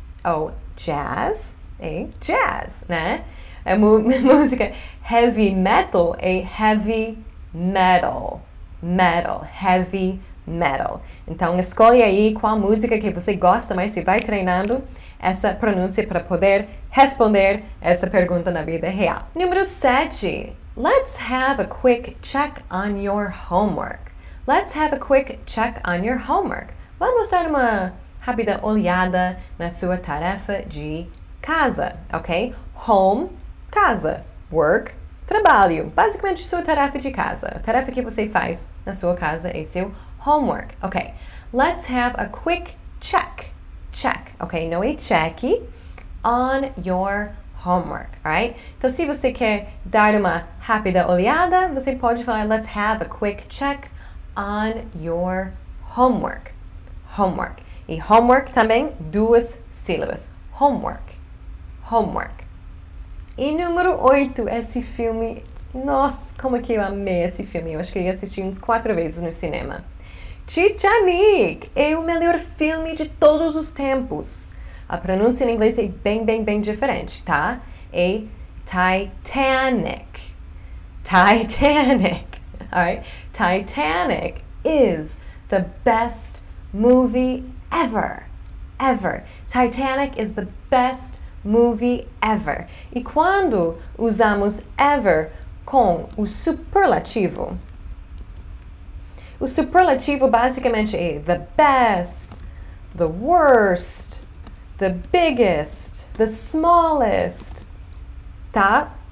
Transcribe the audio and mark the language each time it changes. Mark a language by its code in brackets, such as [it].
[pt] Ou jazz, é jazz, né? É música heavy metal, é heavy metal, metal, heavy metal. Então, escolhe aí qual música que você gosta mais e vai treinando essa pronúncia para poder responder essa pergunta na vida real. Número 7. [en] Let's have a quick check on your homework. Let's have a quick check on your homework. [pt] Vamos dar uma rápida olhada na sua tarefa de casa, ok? Home, casa. Work, trabalho. Basicamente, sua tarefa de casa. A tarefa que você faz na sua casa é seu homework. [en] Ok, let's have a quick check. Check, ok? [pt] Não é [en] check on your homework, alright? [pt] Então, se você quer dar uma rápida olhada, você pode falar, [en] let's have a quick check on your homework. [pt] Homework. E homework também, duas sílabas. Homework. Homework. E número 8, esse filme, nossa, como que eu amei esse filme. Eu acho que eu assisti uns 4 vezes no cinema. Titanic é o melhor filme de todos os tempos. A pronúncia em inglês é bem diferente, tá? É Titanic. Titanic. Alright? [en] Titanic is the best movie ever. Ever. Titanic is the best movie ever. [pt] E quando usamos ever com o superlativo? O superlativo basicamente é [en] the best, the worst, the biggest, the smallest, [pt] tá?